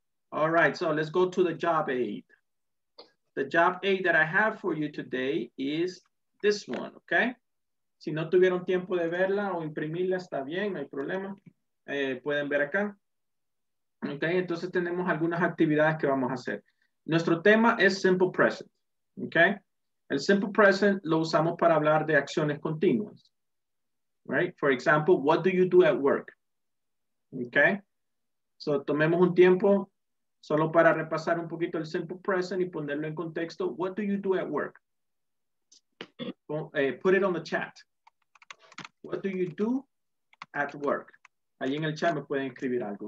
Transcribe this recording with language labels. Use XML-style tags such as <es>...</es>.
<en>All right, so let's go to the job aid. The job aid that I have for you today is this one, okay?</en> <es>Si no tuvieron tiempo de verla o imprimirla, está bien, no hay problema. Pueden ver acá. Okay, entonces tenemos algunas actividades que vamos a hacer. Nuestro tema es simple present, okay? El simple present lo usamos para hablar de acciones continuas, right?</es> <en>For example, what do you do at work?</en> <es>Okay, so tomemos un tiempo solo para repasar un poquito el simple present y ponerlo en contexto.</es> <en>What do you do at work? Put it on the chat. What do you do at work?</en> <es>Allí en el chat me pueden escribir algo.</es>